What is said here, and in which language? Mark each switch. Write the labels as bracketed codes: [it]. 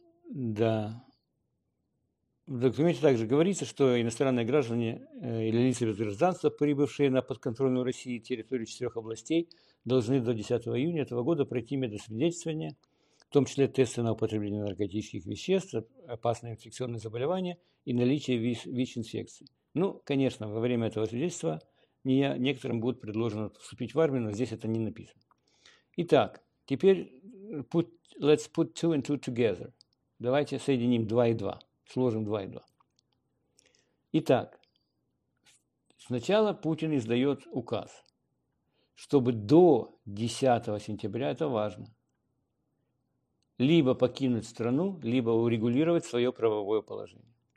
[ru] Да. В документе также говорится, что иностранные граждане или лица без гражданства, прибывшие на подконтрольную России территорию 4 областей, должны до 10 июня этого года пройти медосвидетельствование, в том числе тесты на употребление наркотических веществ, опасные инфекционные заболевания и наличие ВИЧ-инфекции. Ну, конечно, во время этого свидетельства некоторым будет предложено вступить в армию, но здесь это не написано. Итак, теперь [en] let's put two and two together. [ru] Давайте соединим 2 и 2. Сложим 2 и 2. Итак, сначала Путин издает указ, чтобы до 10 сентября, это важно, либо покинуть страну, либо урегулировать свое правовое положение.